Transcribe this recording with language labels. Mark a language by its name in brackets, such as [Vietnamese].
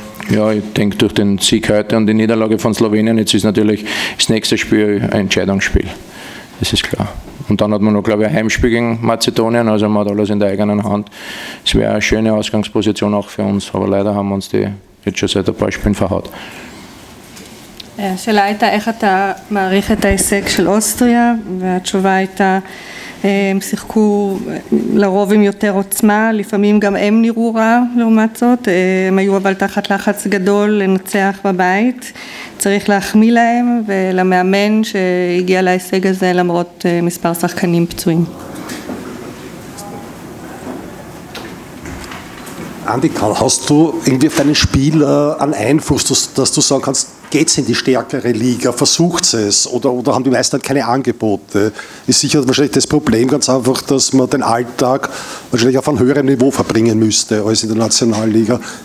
[German] Ja, ich denke durch den Sieg heute und die Niederlage von Slowenien, jetzt ist natürlich das nächste Spiel ein Entscheidungsspiel. Das ist klar. Und dann hat man noch, glaube ich, ein Heimspiel gegen Mazedonien, also man hat alles in der eigenen Hand. Es wäre eine schöne Ausgangsposition auch für uns, aber leider haben wir uns die jetzt schon seit ein paar Spielen verhaut. [Hebrew] השאלה הייתה איך אתה מעריך את ההישג של אוסטריה, והתשובה הייתה, הם שיחקו לרוב עם יותר עוצמה, לפעמים גם הם נראו רע לעומת זאת, הם היו אבל תחת לחץ גדול לנצח בבית, צריך להחמיא להם ולמאמן שהגיע להישג הזה למרות מספר שחקנים פצועים. [German] Andi, hast du irgendwie auf deinen Spieler einen Einfluss, dass du sagen kannst, geht's in die stärkere Liga, versucht es, oder haben die meisten halt keine Angebote? Ist sicher wahrscheinlich das Problem ganz einfach, dass man den Alltag wahrscheinlich auf einem höheren Niveau verbringen müsste als in der Nationalliga.